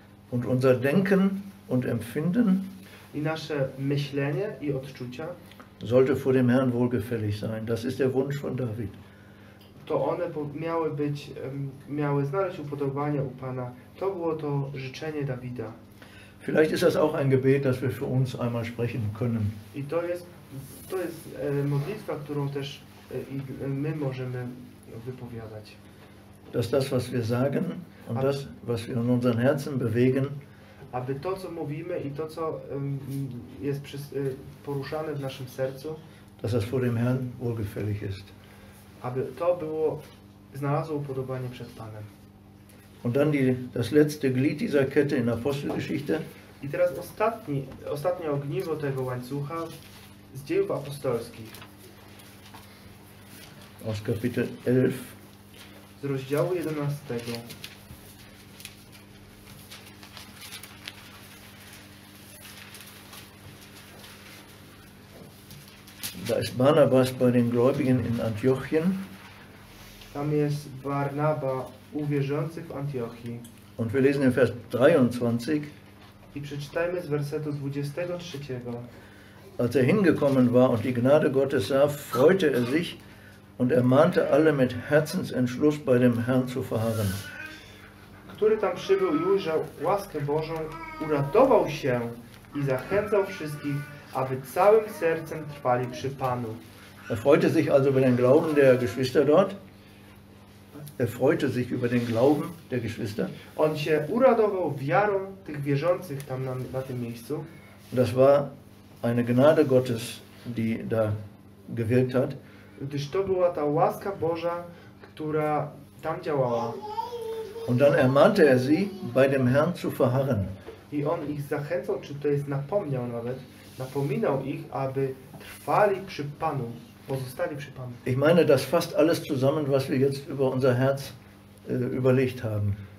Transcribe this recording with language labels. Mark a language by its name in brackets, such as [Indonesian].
[German] Und unser Denken und Empfinden [Polish] i nasze myślenie i odczucia [German] sollte vor dem Herrn wohlgefällig sein. Das ist der Wunsch von David. [Polish] To one miały być, miały znaleźć upodobanie u Pana. To było to życzenie Dawida. [German] Vielleicht ist das auch ein Gebet, das wir für uns einmal sprechen können. [Polish] I to jest modlitwa, którą też i my możemy wypowiadać. [German] Dass das, was wir sagen und das, was wir in unseren Herzen bewegen, [Polish] aby to, co mówimy i to, co jest poruszane w naszym sercu, [German] dass das vor dem Herrn wohlgefällig ist. [Polish] Aby to było, znalazło upodobanie przed Panem. [German] Und dann das letzte Glied dieser Kette in Apostelgeschichte. [Polish] I teraz ostatnie ogniwo tego łańcucha z Dziejów Apostolskich. [German] Aus Kapitel 11. [Polish] Z rozdziału 11. [German] Da ist Barnabas bei den Gläubigen in Antiochien. [Polish] Tam jest Barnaba u wierzących w Antiochii. [German] Und wir lesen in Vers 23. [Polish] I przeczytajmy z wersetu 23. [German] Als er hingekommen war und die Gnade Gottes sah, freute er sich und ermahnte alle mit Herzensentschluss bei dem Herrn zu verharren. [Polish] Który tam przybył i ujrzał łaskę Bożą, uradował się i zachęcał wszystkich, aby całym sercem trwali przy Panu. [German] Er freute sich also über den Glauben der Geschwister dort. Er freute sich über den Glauben der Geschwister. [Polish] On się uradował wiarą tych wierzących tam na tym miejscu. [German] Das war eine Gnade Gottes, die da gewirkt hat. [Polish] Gdyż to była ta łaska Boża, która tam działała. [German] Und dann ermahnte er sie, bei dem Herrn zu verharren. [Polish] I on ich zachęcał, czy to jest napomniał nawet, napominał ich, aby trwali przy Panu, pozostali przy Panu. [German] Ich meine, das fasst alles zusammen, was wir jetzt über unser Herz überlegt haben.